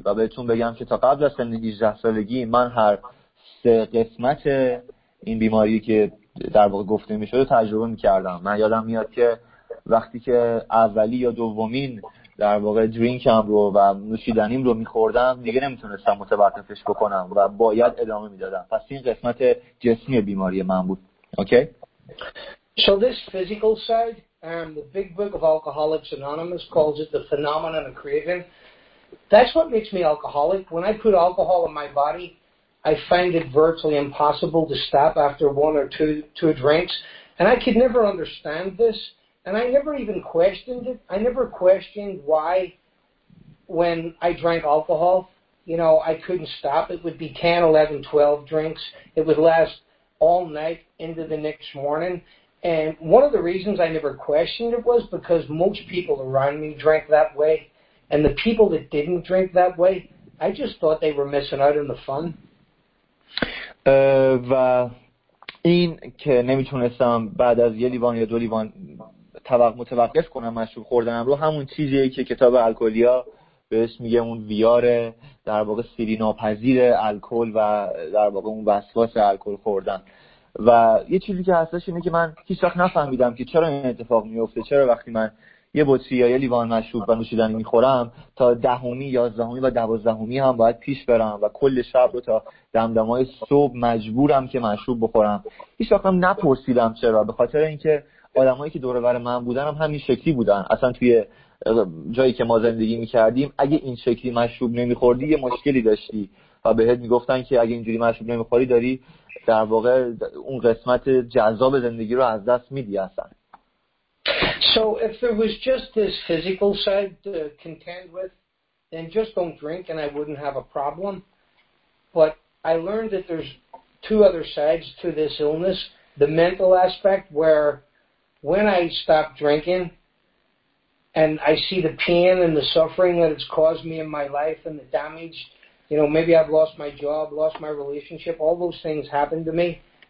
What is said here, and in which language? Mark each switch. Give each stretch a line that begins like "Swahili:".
Persian: و بهتون بگم که تا قبل از سن 18 سالگی من هر سه قسمت این بیماری که در واقع گفته میشد رو تجربه میکردم. من یادم میاد که وقتی که اولی یا دومین در واقع درینکم رو و نوشیدنیم رو میخوردم دیگه نمیتونستم متوقفش بکنم و باید ادامه میدادم. پس این قسمت جسمی بیماری من بود.
English: Okay? So this physical side, the big book of Alcoholics Anonymous calls it the phenomenon of craving. That's what makes me alcoholic. When I put alcohol in my body, I find it virtually impossible to stop after one or two drinks. And I could never understand this. And I never even questioned it. I never questioned why when I drank alcohol, you know, I couldn't stop. It would be 10, 11, 12 drinks. It would last all night into the next morning. And one of the reasons I never questioned it was because most people around me drank that way. And the people that didn't drink that way, I just thought they were missing out on the fun.
Persian: و این که نمیتونستم بعد از یه لیوان یا دو لیوان متوقف کنم مشروب خوردنم رو همون چیزیه که کتاب الکلیا بهش میگه اون ویاره در واقع سیری ناپذیر الکل و در واقع اون وسواس الکل خوردن. و یه چیزی که هستش اینه که من هیچ وقت نفهمیدم که چرا این اتفاق میفته، چرا وقتی من یه بطری یا یه لیوان مشروب و نوشیدنی میخورم تا دهمی یازدهمی و دوازدهمی هم باید پیش برم و کل شب رو تا دمدمای صبح مجبورم که مشروب بخورم. هیچ وقت هم نپرسیدم چرا، به خاطر اینکه آدمایی که دور و بر من بودن هم همین شکلی بودن. اصلا توی جایی که ما زندگی میکردیم اگه این شکلی مشروب نمیخوردی یه مشکلی داشتی و بهت میگفتن که اگه اینجوری مشروب نمیخوری داری در واقع اون قسمت جذاب زندگی رو از دست میدی اصلا.
English: So if there was just this physical side to contend with, then just don't drink and I wouldn't have a problem. But I learned that there's two other sides to this illness. The mental aspect where when I stop drinking and I see the pain and the suffering that it's caused me in my life and the damage, you know, maybe I've lost my job, lost my relationship, all those things happened to me.